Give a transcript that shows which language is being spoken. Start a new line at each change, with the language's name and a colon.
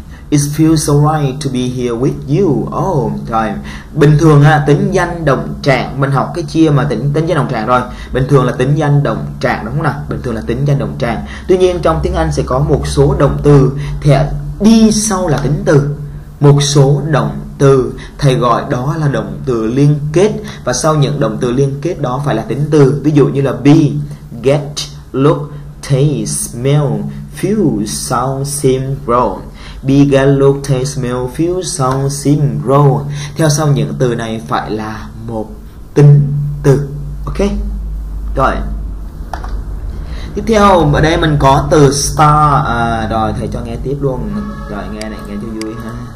English: It feels so right to be here with you.
Vietnamese: Oh, rồi. Bình thường á, tính danh động trạng, mình học cái chia mà tính danh động trạng rồi. Bình thường là tính danh động trạng đúng không nào? Bình thường là tính danh động trạng. Tuy nhiên trong tiếng Anh sẽ có một số động từ thì đi sau là tính từ. Một số động từ thầy gọi đó là động từ liên kết, và sau những động từ liên kết đó phải là tính từ. Ví dụ như là
English: be, get, look, taste, smell, feel, sound, seem, grow. Be, get, look, taste, smell, feel, sound, seem, grow.
Vietnamese: Theo sau những từ này phải là một tính từ. Ok. Rồi. Tiếp theo ở đây mình có từ star. À, rồi thầy cho nghe tiếp luôn. Rồi nghe này, nghe cho vui ha.